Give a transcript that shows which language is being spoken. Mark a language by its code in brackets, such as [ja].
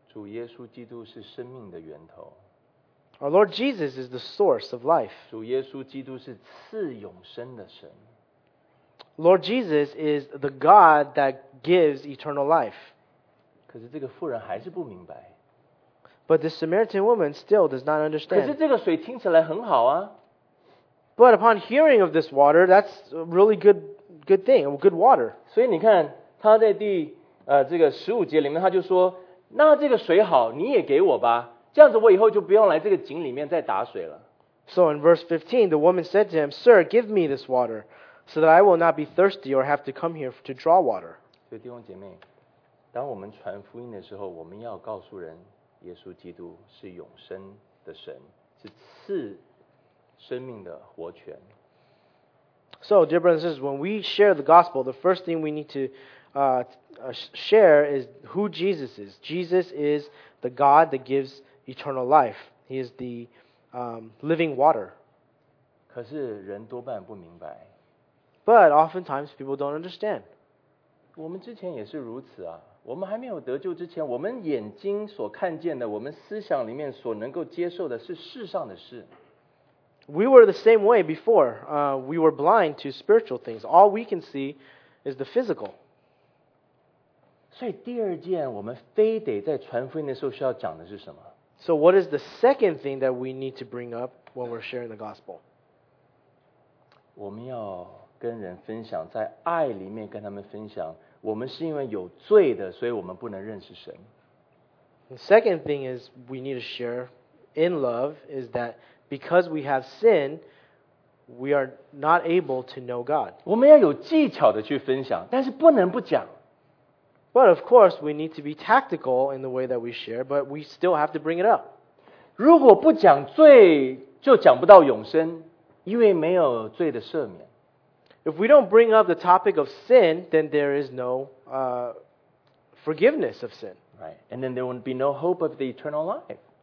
[zh] 主耶稣基督是生命的源头。 [en] Our Lord Jesus is the source of life. [zh] 主耶稣基督是赐永生的神。 [en] Lord Jesus is the God that gives eternal life. [zh] 可是这个妇人还是不明白。 [en] But the Samaritan woman still does not understand. [zh] 可是这个水听起来很好啊。 [en] But upon hearing of this water, that's a really good thing, good water. [zh] 所以你看，他在第这个十五节里面，他就说，那这个水好，你也给我吧，这样子我以后就不用来这个井里面再打水了。 [en] So in verse 15, the woman said to him, "Sir, give me this water, so that I will not be thirsty or have to come here to draw water." [zh] 所以弟兄姐妹，当我们传福音的时候，我们要告诉人。耶稣基督是永生的神，是赐生命的活泉。 [en] So, dear brothers and sisters, when we share the gospel, the first thing we need to share is who Jesus is. Jesus is the God that gives eternal life. He is the living water. [zh] 可是人多半不明白。 [en] But oftentimes people don't understand. [zh] 我们之前也是如此啊。我们还没有得救之前，我们眼睛所看见的，我们思想里面所能够接受的是世上的事。 [en] We were the same way before. We were blind to spiritual things. All we can see is the physical. [zh] 所以第二件我们非得在传福音的时候需要讲的是什么？ [en] So what is the second thing that we need to bring up when we're sharing the gospel? [zh] 我们要跟人分享，在爱里面跟他们分享。我们是因为有罪的，所以我们不能认识神。 [en] The second thing is we need to share in love is that because we have sin, we are not able to know God. [zh] 我们要有技巧的去分享，但是不能不讲。 [en] But of course, we need to be tactical in the way that we share, but we still have to bring it up. [zh] 如果不讲罪，就讲不到永生，因为没有罪的赦免。 [en] If we don't bring up the topic of sin, then there is no forgiveness of sin. Right. And then there won't be no hope of the eternal life.